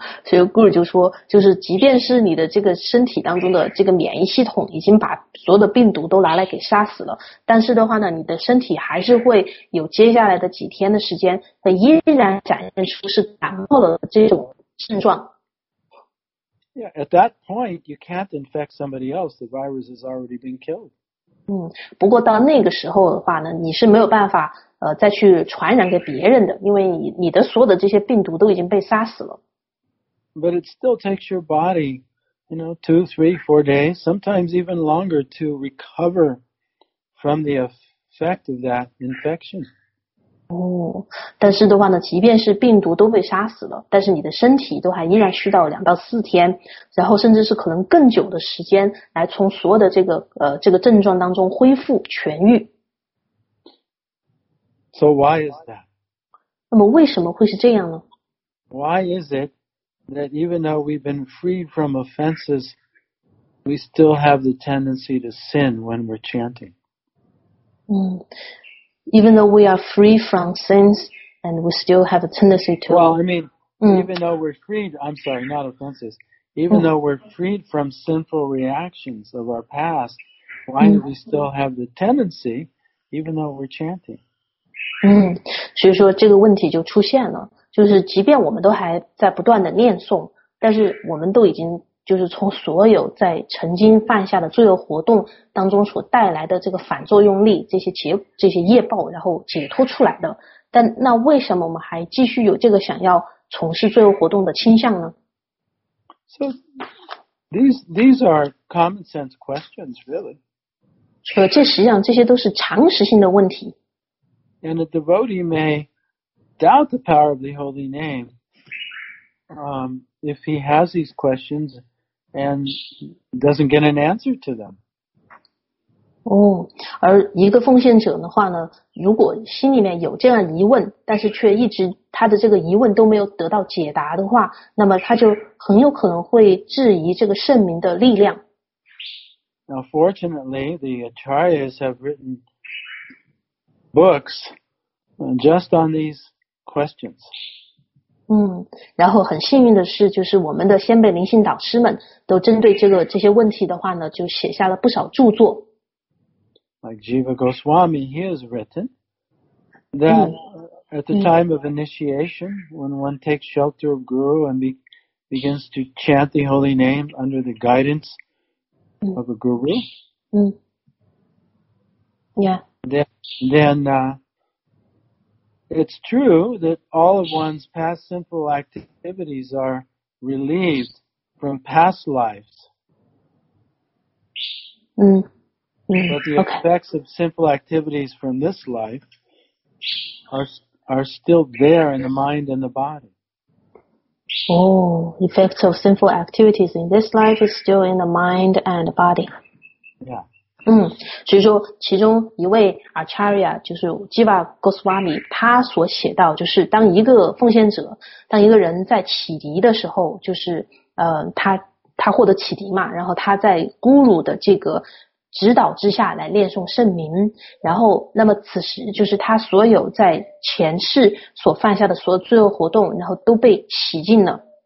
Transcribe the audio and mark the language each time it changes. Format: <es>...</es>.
<zh>所以顾尔就说，就是即便是你的这个身体当中的这个免疫系统已经把所有的病毒都拿来给杀死了，但是的话呢，你的身体还是会有接下来的几天的时间，它依然展现出是感冒的这种症状。</zh> <en>Yeah, at that point, you can't infect somebody else. The virus has already been killed.</en> <zh>不过到那个时候的话呢，你是没有办法再去传染给别人的，因为你的所有的这些病毒都已经被杀死了。</zh> <en>But it still takes your body, you know, 2, 3, 4 days, sometimes even longer to recover from the effect of that infection.</en> <zh>但是的话呢，即便是病毒都被杀死了，但是你的身体都还依然需要2到4天，然后甚至是可能更久的时间来从所有的这个症状当中恢复痊愈。</zh> <en>So why is that?</en> <zh>那么为什么会是这样呢？</zh> <en>Why is it that even though we've been freed from offenses, we still have the tendency to sin when we're chanting? Even though we are free from sins, and we still have a tendency to... Even though we're freed, I'm sorry, not offenses. Even though we're freed from sinful reactions of our past, why do we still have the tendency, even though we're chanting?</en> <zh>所以说这个问题就出现了，就是即便我们都还在不断的念诵，但是我们都已经就是从所有在曾经犯下的罪恶活动当中所带来的这个反作用力，这些业报，然后解脱出来的。但那为什么我们还继续有这个想要从事罪恶活动的倾向呢？</zh> <en>So these are common sense questions, really.</en> <zh>这实际上这些都是常识性的问题。</zh> <en>And a devotee may doubt the power of the holy name. If he has these questions and doesn't get an answer to them.</en> <zh>而一个奉献者的话呢，如果心里面有这样疑问，但是却一直他的这个疑问都没有得到解答的话，那么他就很有可能会质疑这个圣名的力量。</zh> <en>Now fortunately, the acharyas have written books just on these questions.</en> <zh>然后很幸运的是，就是我们的先辈灵性导师们都针对这些问题的话呢，就写下了不少著作。</zh> <en>Like Jiva Goswami, he has written that at the time of initiation, when one takes shelter of Guru and begins to chant the holy name under the guidance of a Guru, It's true that all of one's past sinful activities are relieved from past lives. But the effects of sinful activities from this life are still there in the mind and the body. Effects of sinful activities in this life is still in the mind and the body. Yeah.</en> <zh>所以说其中一位 Acharya 就是 Jiva Goswami， 他所写到就是当一个奉献者，当一个人在启迪的时候，就是他获得启迪嘛，然后他在 Guru 的这个指导之下来念诵圣名，然后那么此时就是他所有在前世所犯下的所有罪恶活动然后都被洗净了，</zh>